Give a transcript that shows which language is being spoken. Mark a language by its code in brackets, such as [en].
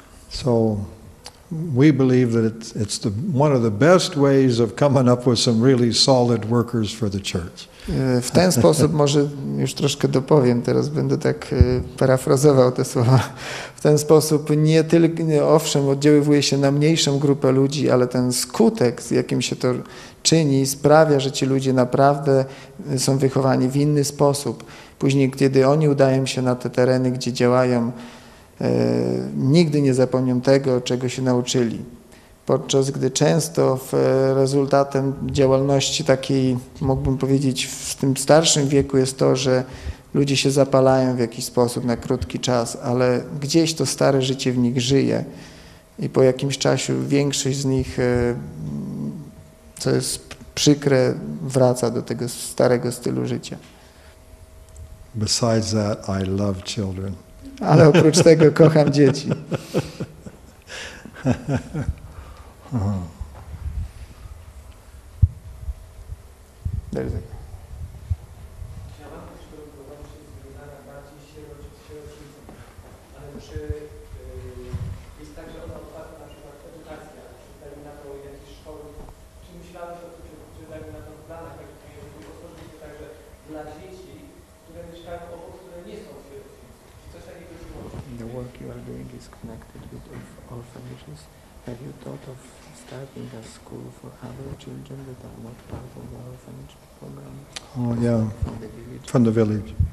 [en] So we believe that it's the one of the best ways of coming up with some really solid workers for the church. [pl] W ten sposób, może już troszkę dopowiem, teraz będę tak parafrazował te słowa. W ten sposób nie tylko, owszem, oddziaływuje się na mniejszą grupę ludzi, ale ten skutek, z jakim się to czyni, sprawia, że ci ludzie naprawdę są wychowani w inny sposób. Później, kiedy oni udają się na te tereny, gdzie działają, nigdy nie zapomnią tego, czego się nauczyli. Podczas gdy często rezultatem działalności takiej, mógłbym powiedzieć, w tym starszym wieku jest to, że ludzie się zapalają w jakiś sposób na krótki czas, ale gdzieś to stare życie w nich żyje i po jakimś czasie większość z nich, co jest przykre, wraca do tego starego stylu życia. [en] Besides that, I love children. [pl] Ale oprócz tego kocham dzieci. Ja mam też problemy związane bardziej z sierocznicą, ale czy jest tak, że ona otwarta na przykład edukacja, czy daje na to jakieś szkoły, czy myślałeś o tym, czy daje na to w planach, jak to jest, bo to jest także dla dzieci, które mieszkają obok, które nie są sierocznicy, czy coś takiego jest możliwe? [en] The work you are doing is connected with orphanages. Have you thought of starting a school for other children that are not part of the orphanage program? Oh yeah, from the village.